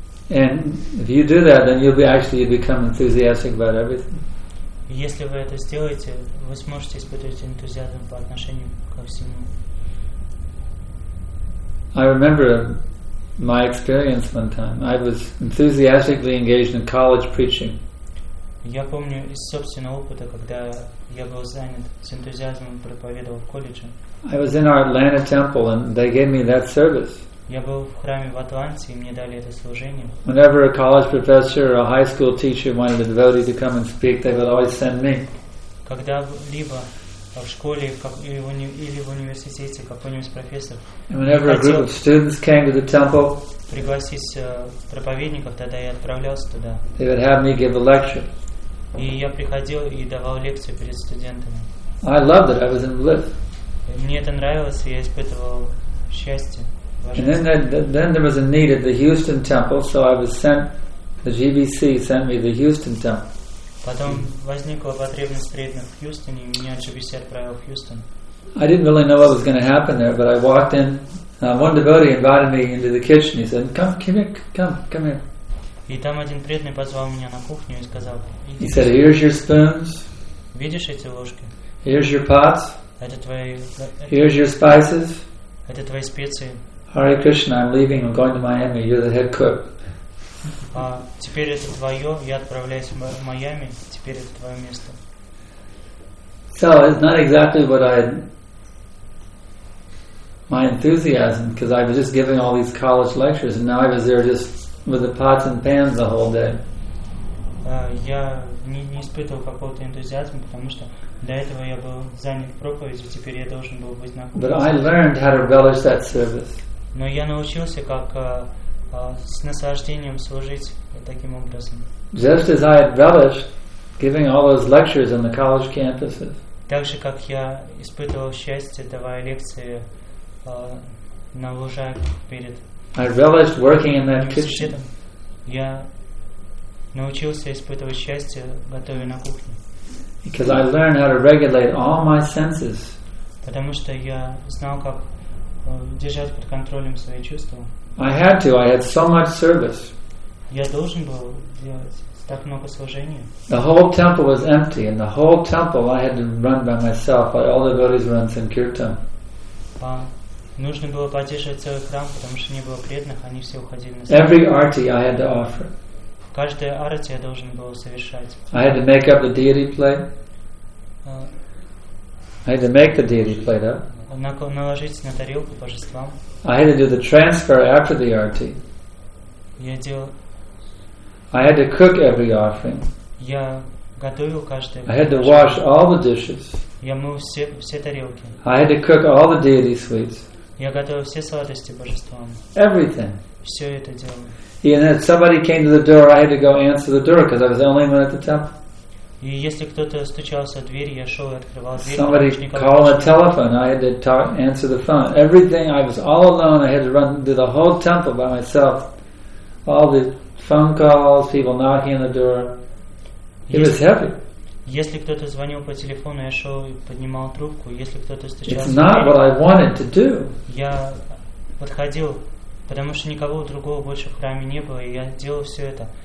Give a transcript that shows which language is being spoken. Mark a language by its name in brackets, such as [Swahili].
[English] And if you do that, then you'll be actually become enthusiastic about everything. [Russian] Если вы это сделаете, вы сможете испытывать энтузиазм по отношению ко всему. [English] I remember my experience one time. I was enthusiastically engaged in college preaching. [Russian] Я помню из собственного опыта, когда я был занят с энтузиазмом проповедовал в колледже. [English] I was in our Atlanta temple and they gave me that service. [Russian] Я был в храме в Атланте, и мне дали это служение. [English] Whenever a college professor or a high school teacher wanted a devotee to come and speak, they would always send me. [Russian] Когда-либо в школе как, или, в уни, или в университете какой-нибудь профессор хотел пригласить проповедников, тогда я отправлялся туда. [English] They would have me give a lecture. [Russian] И я приходил и давал лекцию перед студентами. [English] I loved it. I was in bliss. [Russian] Мне это нравилось, и я испытывал счастье. [English] And then there was a need at the Houston Temple, so I was sent. The GBC sent me the Houston Temple. [Russian] Потом возникла потребность приехать в Хьюстон, и меня GBC отправил в Хьюстон. [English] I didn't really know what was going to happen there, but I walked in. One devotee invited me into the kitchen. He said, "Come here." [Russian] И там один преданный позвал меня на кухню и сказал. [English] He said, "Here's your spoons. [Russian] Видишь эти ложки? [English] Here's your pots. [Russian] Это твои. [English] Here's your spices. [Russian] Это твои специи. [English] Hare Krishna, I'm leaving. I'm going to Miami. You're the head cook. [Russian] Теперь это твое. Я отправляюсь в Майами. Теперь это твое место. [English] So it's not exactly what I, my enthusiasm, because I was just giving all these college lectures, and now I was there just with the pots and pans the whole day. [Russian] Я не испытывал какого-то энтузиазма, потому что до этого я был занят проповедью, теперь я должен был быть на. [English] But I learned how to relish that service. [Russian] Но я научился, как с наслаждением служить таким образом. [English] Just as I had relished giving all those lectures on the college campuses. [Russian] Так же, как я испытывал счастье, давая лекции на лужайках перед. [English] I relished working in that kitchen. [Russian] Я научился испытывать счастье, готовя на кухне. [English] Because I learned how to regulate all my senses. [Russian] Потому что я знал, как держать под контролем свои чувства. [English] I had to. I had so much service. [Russian] Я должен был делать так много служения. [English] The whole temple was empty, and the whole temple I had to run by myself. By all the devotees were in sankirtan. [Russian] Нужно было поддерживать целый храм, потому что не было преданных, они все уходили на. [English] Every arti I had to offer. [Russian] Каждое арати я должен был совершать. [English] I had to make up the deity play. I had to make the deity play up. [Russian] Наложить на тарелку божествам. [English] I had to do the transfer after the arti. I had to cook every offering. [Russian] Я готовил каждое. [English] I had to wash all the dishes. [Russian] Я мыл все тарелки. [English] I had to cook all the deity sweets. [Russian] Я готовил все сладости божествам. [English] Everything. [Russian] Все это делал. [English] And if somebody came to the door, I had to go answer the door because I was the only one at the temple. [Russian] И если кто-то стучался в дверь, я шел и открывал дверь. [English] Somebody called a telephone. I had to talk, answer the phone. Everything. I was all alone. I had to run through the whole temple by myself. All the phone calls, people knocking on the door. It was heavy. [Russian] Если кто-то звонил по телефону, я шел и поднимал трубку. Если кто-то стучался. [English] It's not what I wanted to do. [Russian] Я подходил, потому что никого другого больше в храме не было, и я делал все это.